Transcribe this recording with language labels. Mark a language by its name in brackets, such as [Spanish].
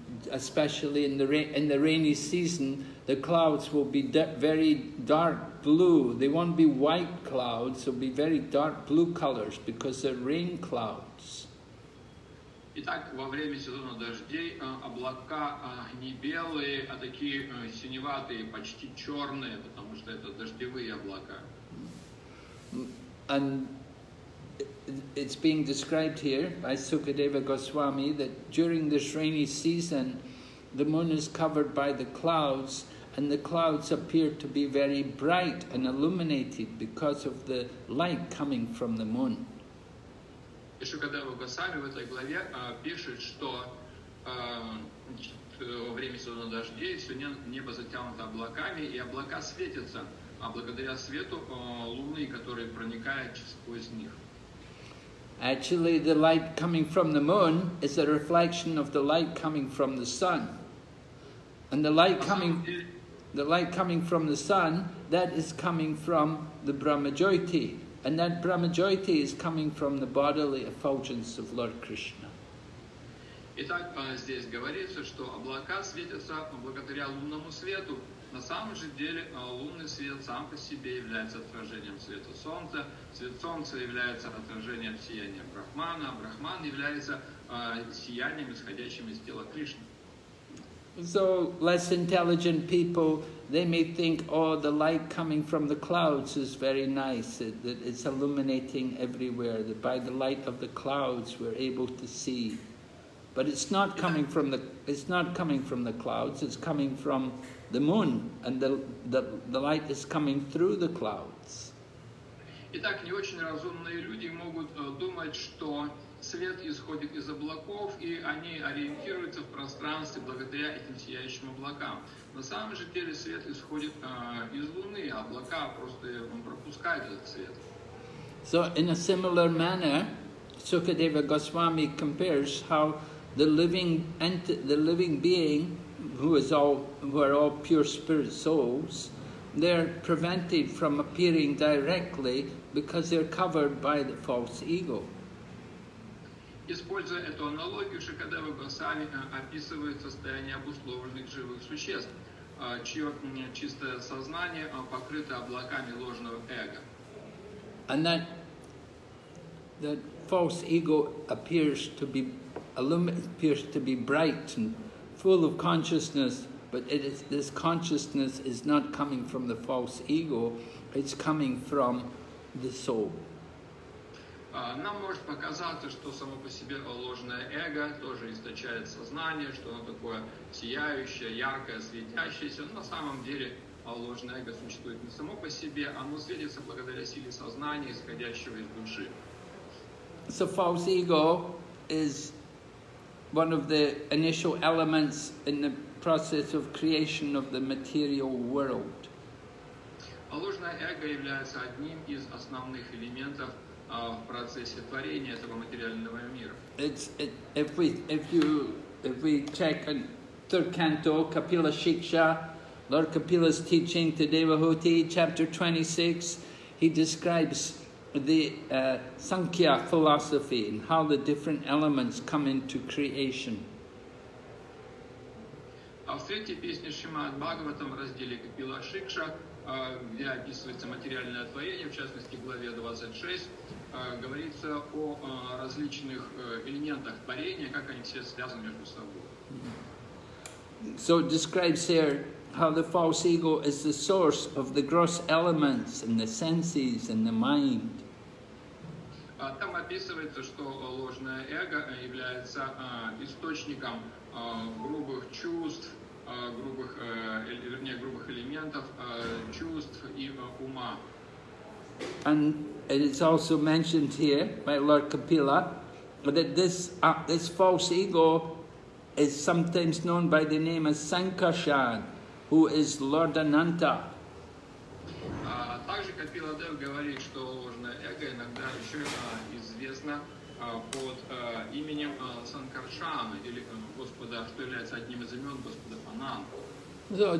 [English] Especially in the rainy season, the clouds will be very dark blue. They won't be white clouds, they'll be very dark blue colors because they're rain clouds. [Russian] Итак, во время сезона дождей облака не белые, а такие синеватые, почти черные, потому что это дождевые облака. [English] And it's being described here by Sukadeva Goswami that during this rainy season, the moon is covered by the clouds, and the clouds appear to be very bright and illuminated because of the light coming from the moon. [Russian] И Шукадева Госвами в этой главе пишет, что во время сезона дождей все небо затянуто облаками, и облака светятся, а благодаря свету луны, который проникает сквозь них. [English] Actually, the light coming from the moon is a reflection of the light coming from the sun. And the light coming from the sun, that is coming from the Brahmajyoti. And that Brahmajyoti is coming from the bodily effulgence of Lord Krishna. [Russian] Итак, здесь говорится, что облака светятся благодаря лунному свету. На самом же деле лунный свет сам по себе является отражением света солнца. Свет солнца является отражением сияния Брахмана. Брахман является сиянием, исходящим из тела Кришны. [English] So less intelligent people, they may think, oh, the light coming from the clouds is very nice. It's illuminating everywhere. By the light of the clouds, we're able to see. But it's not coming from the clouds. It's coming from the moon, and the light is coming through the clouds. [Russian] Итак, не очень разумные люди могут думать, что свет исходит из облаков, и они ориентируются в пространстве благодаря этим сияющим облакам. На самом же деле свет исходит из луны, а облака просто пропускают этот свет. [English] So in a similar manner, Sukadeva Goswami compares how the living being, who are all pure spirit souls, they're prevented from appearing directly because they're covered by the false ego. [Russian] Используя эту аналогию, Шикадева Госвами описывает состояние обусловленных живых существ, чье чистое сознание покрыто облаками ложного эго. [English] And that the false ego appears to be appears to be bright and full of consciousness, but it is, this consciousness is not coming from the false ego, it's coming from the soul. [Russian] Нам может показаться, что само по себе ложное эго тоже источает сознание, что оно такое сияющее, яркое, светящееся, но на самом деле ложное эго существует не само по себе, оно светится благодаря силе сознания, исходящего из души. [English] So false ego is one of the initial elements in the process of creation of the material world. [Russian] Ложное эго является одним из основных элементов в процессе творения этого материального мира. [English] If we check in third canto, Kapila Shiksha, Lord Kapila's teaching to Devahuti, chapter 26, he describes the Sankhya philosophy and how the different elements come into creation. [Russian] В третьей песне Шримад Бхагаватам, разделе Капила Шикша, где описывается материальное творение, в частности, в главе 26, говорится о различных элементах творения, как они все связаны между собой. [English] So it describes here how the false ego is the source of the gross elements and the senses and the mind. [Russian] Там описывается, что ложное эго является источником грубых чувств, грубых элементов чувств и ума. [English] And it is also mentioned here by Lord Kapila that this false ego is sometimes known by the name as Sankarshan, who is Lord Ananta. [Russian] Также Капила Дев говорит, что ложное эго иногда еще известно под именем Санкаршана, или Господа, что является одним из имен Господа Ананта.